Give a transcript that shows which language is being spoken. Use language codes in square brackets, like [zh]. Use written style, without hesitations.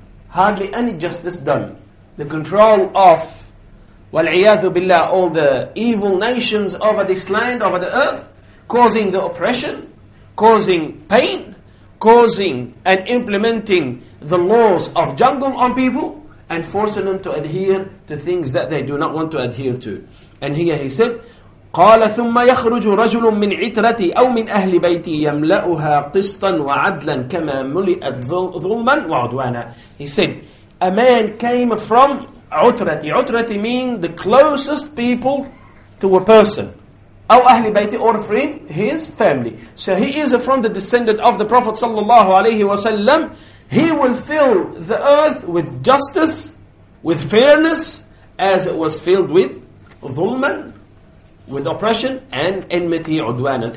[en] Hardly any justice done. The control of [ar] وَالْعِيَاذُ بِاللَّهِ, [en] all the evil nations over this land, over the earth, causing the oppression, causing pain, causing and implementing the laws of jungle on people, and forcing them to adhere to things that they do not want to adhere to. And here he said, [ar] قَالَ ثُمَّ يَخْرُجُ رَجُلٌ مِّنْ عِتْرَتِي أَوْ مِنْ أَهْلِ بَيْتِي يَمْلَأُهَا قِسْطًا وَعَدْلًا كَمَا مُلِئَتْ ظُلْمًا وَعُدْوَانًا. [en] He said, a man came from عُتْرَتِي. عُتْرَتِي means the closest people to a person. [ar] أَوْ أَهْلِ بَيْتِي, [en] or from his family. So he is from the descendant of the Prophet sallallahu alayhi wa sallam. He will fill the earth with justice, with fairness, as it was filled with ظُلْمًا, with oppression and enmity, udwanan.